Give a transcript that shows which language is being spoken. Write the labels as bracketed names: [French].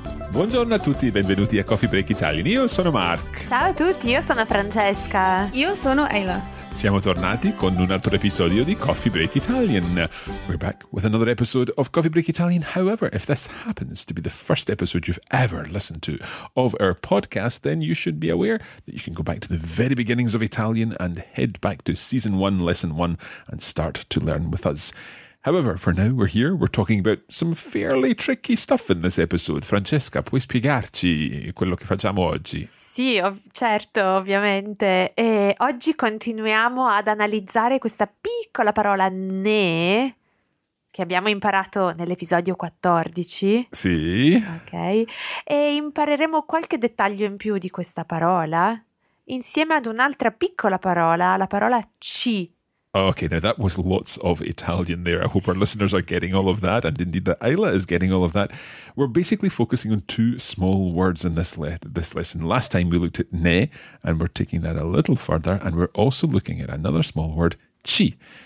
[Italian] Buongiorno a tutti, benvenuti a Coffee Break Italian. Io sono Mark. Ciao a tutti, io sono Francesca. Io sono Ayla. Siamo tornati con un altro episodio di Coffee Break Italian. [English] We're back with another episode of Coffee Break Italian. However, if this happens to be the first episode you've ever listened to of our podcast, then you should be aware that you can go back to the very beginnings of Italian and head back to Season 1, Lesson 1, and start to learn with us. However, for now, we're here, we're talking about some fairly tricky stuff in this episode. [Italian] Francesca, puoi spiegarci quello che facciamo oggi? Sì, certo, ovviamente. E oggi continuiamo ad analizzare questa piccola parola ne, che abbiamo imparato nell'episodio 14. Sì. Ok. E impareremo qualche dettaglio in più di questa parola, insieme ad un'altra piccola parola, la parola ci. [English] Okay, now that was lots of Italian there. I hope our listeners are getting all of that, and indeed that Ayla is getting all of that. We're basically focusing on two small words in this lesson. Last time we looked at ne, and we're taking that a little further, and we're also looking at another small word, ci.